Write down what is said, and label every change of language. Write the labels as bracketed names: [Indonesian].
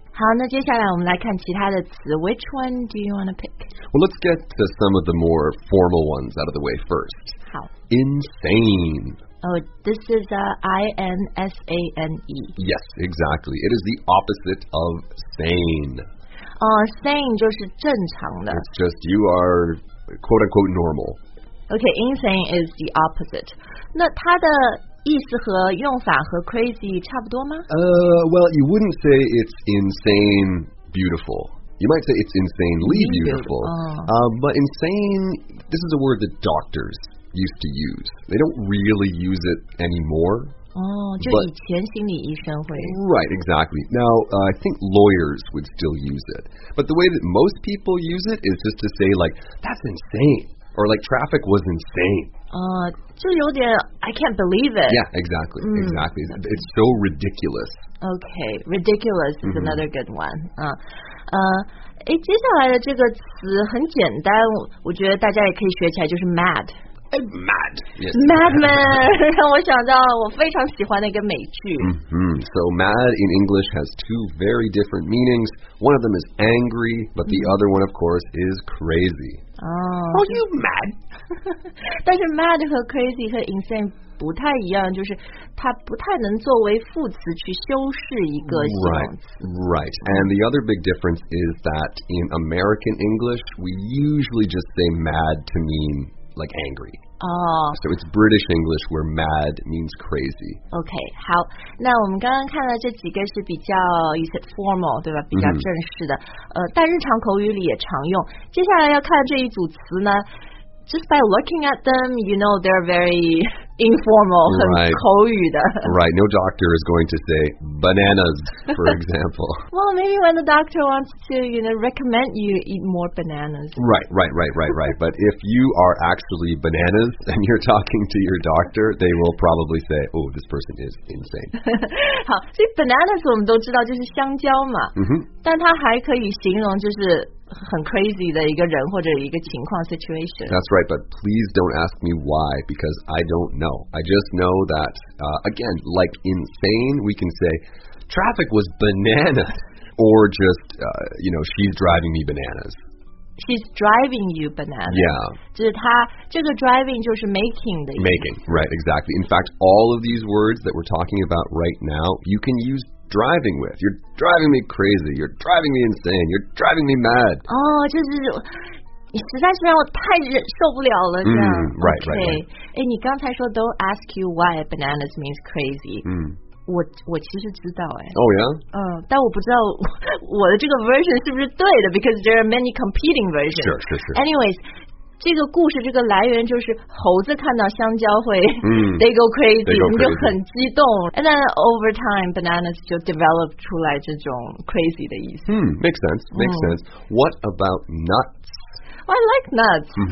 [Chinese] 好，那接下来我们来看其他的词。 [English] Which one do you want to pick? Well, let's get to some of the more formal ones out of the way first. [Chinese] 好。 [English] Insane. Oh, this is insane. Yes, exactly. It is the opposite of sane. [Chinese] Sane 就是正常的。 [English] It's just you are quote-unquote normal. Okay, insane is the opposite. [Chinese] 那它的意思和用法和 crazy 差不多吗？ [English] Well, you wouldn't say it's insane beautiful. You might say it's insanely beautiful, but insane, this is a word that doctors used to use. They don't really use it anymore. [Chinese] Oh, 就以前心理医生会。 [English] Right, exactly. Now, I think lawyers would still use it. But the way that most people use it is just to say, like, that's insane. Or, like, traffic was insane. Just [Chinese] 有点 [English] I can't believe it. Yeah, exactly, exactly. It's so ridiculous. Okay, ridiculous is another good one. [Chinese] Eh, 接下来的这个词很简单，我觉得大家也可以学起来，就是 mad. [English] mad. Yes, madman. [Chinese] 让我想到我非常喜欢的一个美剧。 [English] So mad in English has two very different meanings. One of them is angry, but the other one, of course, is crazy. Oh. Are you mad? [Chinese] 但是 mad 和 crazy 和 insane 不太一样，就是它不太能作为副词去修饰一个形容词。 [English] Right, right. And the other big difference is that in American English, we usually just say mad to mean like angry. Oh. So it's British English where mad means crazy. [Chinese] Okay, 好，那我们刚刚看到这几个是比较 [English] you said formal, [Chinese] 对吧？比较正式的，但日常口语里也常用。接下来要看这一组词呢。 [English] Just by looking at them, you know they're very informal, [Chinese] 很口语的。 [English] Right, no doctor is going to say bananas, for example. Well, maybe when the doctor wants to, you know, recommend you eat more bananas. Right. But if you are actually bananas and you're talking to your doctor, they will probably say, oh, this person is insane. [Chinese] 好，所以 bananas 我们都知道就是香蕉嘛。但它还可以形容就是很 crazy 的一个人或者一个情况 situation. [English] That's right, but please don't ask me why, because I don't know. I just know that, again, like insane, we can say, traffic was bananas, or just, you know, she's driving me bananas. She's driving you bananas. Yeah. [Chinese] 就是他这个 driving 就是 making 的意思。 [English] Making, right, exactly. In fact, all of these words that we're talking about right now, you can use driving with. You're driving me crazy. You're driving me insane. You're driving me mad. [Chinese] Oh, 就是你实在是让我太忍受不了了，这样。 [English] Right. [Chinese] 哎，你刚才说 [English] don't ask you why bananas means crazy. [Chinese] 我其实知道哎。 [English] Oh yeah. [Chinese] 但我不知道我的这个 version 是不是对的 ， [English] because there are many competing versions. Sure. Anyways. [Chinese] 这个故事这个来源就是猴子看到香蕉会 [English] they go crazy, [Chinese] 你就很激动 [English] and then over time [Chinese] bananas 就 develop 出来这种 crazy 的意思 [English] makes sense. What about nuts? I like nuts.